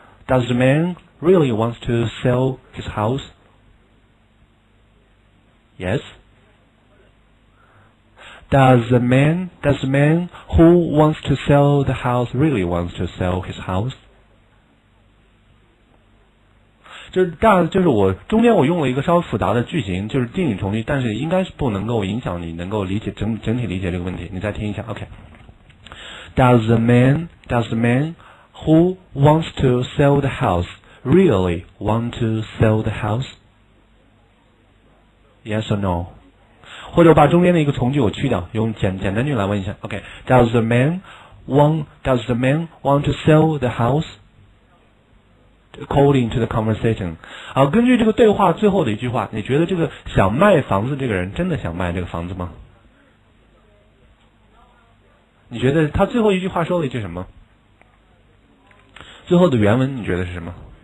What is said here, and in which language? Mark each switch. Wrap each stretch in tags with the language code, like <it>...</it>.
<en>Does the man really want to sell his house? Yes. Does the man who wants to sell the house really wants to sell his house?</en> <zh>就是我中间我用了一个稍微复杂的句型，就是定语从句，但是应该是不能够影响你能够理解整体理解这个问题。你再听一下 ，OK。</zh> <en>Does the man who wants to sell the house really want to sell the house? Yes or no?</en> <zh>或者我把中间的一个从句我去掉，用简单句来问一下。</zh> <en>OK, does the man want to sell the house according to the conversation?</en> <zh>好，根据这个对话最后的一句话，你觉得这个想卖房子这个人真的想卖这个房子吗？你觉得他最后一句话说了一句什么？最后的原文你觉得是什么？</zh>